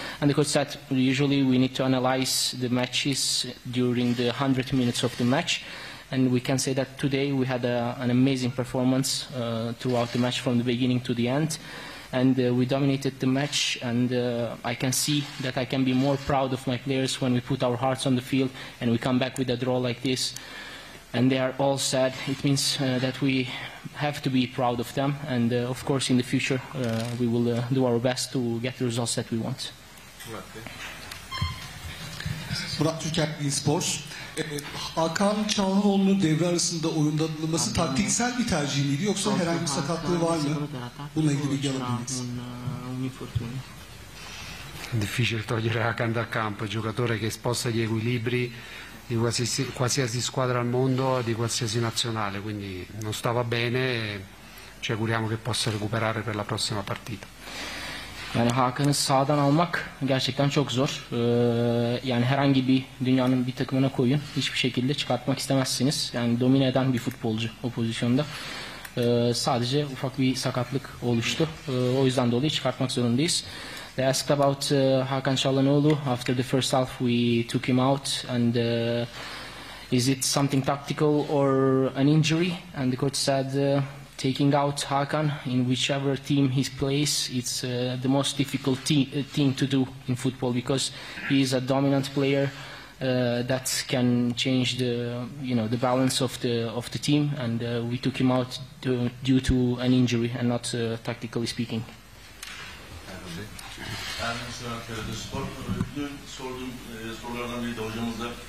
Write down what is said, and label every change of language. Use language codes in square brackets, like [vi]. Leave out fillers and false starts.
[en] And the coach said usually we need to analyze the matches during the 100 minutes of the match, and we can say that today we had an amazing performance throughout the match from the beginning to the end, and we dominated the match, and I can see that I can be more proud of my players when we put our hearts on the field and we come back with a draw like this. And they are all sad. It means that we have to be proud of them. And of course, in the future, we will do our best to get the results that we want. [tr] Murat Türker, Spor. Hakan Çalhanoğlu'nu devre arasında oyunda bulunması taktiksel bir tercih miydi? Yoksa herhangi bir sakatlığı var mı? Bununla ilgili bir yalanıydınız. [it] Difficile togliere Hakan dal campo, giocatore che sposta gli equilibri di qualsiasi squadra al mondo, di qualsiasi nazionale, quindi non stava bene, ci auguriamo che possa recuperare per la prossima partita. [tr] Yani Hakan'ı sahadan almak gerçekten çok zor. Yani herhangi bir dünyanın bir takımına koyun, hiçbir şekilde çıkartmak istemezsiniz. Yani domine eden bir futbolcu o pozisyonda. Sadece ufak bir sakatlık oluştu. O yüzden dolayı çıkartmak zorundayız. [en] They asked about Hakan Çalhanoğlu. After the first half, we took him out. And is it something tactical or an injury? And the coach said, taking out Hakan in whichever team he plays, it's the most difficult thing to do in football because he is a dominant player that can change the, you know, the balance of the team. And we took him out due to an injury and not tactically speaking. [tr] Ermin şu Ankara'da spor dün sorduğum sorulardan biri de hocamızla